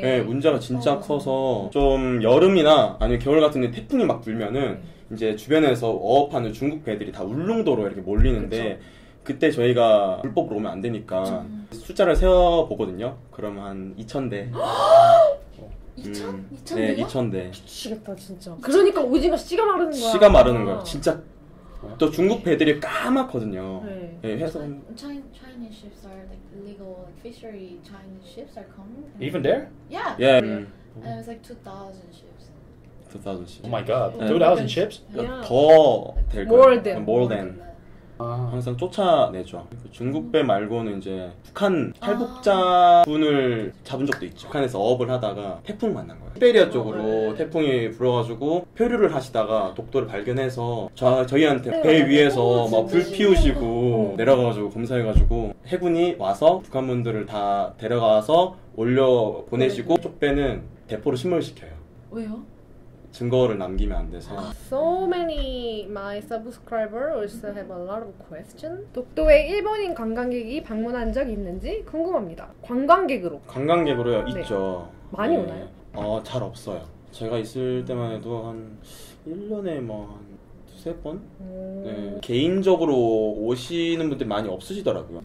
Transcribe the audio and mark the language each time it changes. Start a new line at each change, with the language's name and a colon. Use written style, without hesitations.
Korean: 네 문제가 진짜 커서 좀 여름이나 아니면 겨울 같은 데 태풍이 막 불면은 이제 주변에서 어업하는 중국 배들이 다 울릉도로 이렇게 몰리는데 그쵸. 그때 저희가 불법으로 오면 안 되니까 그쵸. 숫자를 세어보거든요. 그럼 한 2,000대 2,000? 2,000대가? 네 2,000대 미치겠다 진짜. 그러니까 오징어 씨가 마르는 거야. 씨가 마르는 거야 진짜. 또 중국 배들이 까맣거든요. 네. 네 해서
English: Chinese ships are like illegal fishery. Chinese ships are common. Even there? Yeah. Yeah. And it's like 2,000 ships. 2,000 ships. Oh my god. 2,000 ships? Yeah.
Korean: 더 될 거야.
English: More than.
Korean: 항상 쫓아내죠. 중국배 말고는 이제 북한 탈북자분을 잡은 적도 있죠. 북한에서 어업을 하다가 태풍 만난 거예요. 시베리아 쪽으로 태풍이 불어가지고 표류를 하시다가 독도를 발견해서 저희한테 배 위에서 막 불 피우시고 내려가가지고 검사해가지고 해군이 와서 북한 분들을 다 데려가서 올려 보내시고 쪽 배는 대포로 침몰시켜요. 왜요? 증거를 남기면 안 돼서.
English: So many my subscriber also have a lot of questions.
Korean: 독도에 일본인 관광객이 방문한 적 있는지 궁금합니다. 관광객으로. 관광객으로요? 네. 있죠. 많이 네. 오나요? 잘 없어요. 제가 있을 때만 해도 한 1년에 뭐 두세 번? 네. 개인적으로 오시는 분들 많이 없으시더라고요.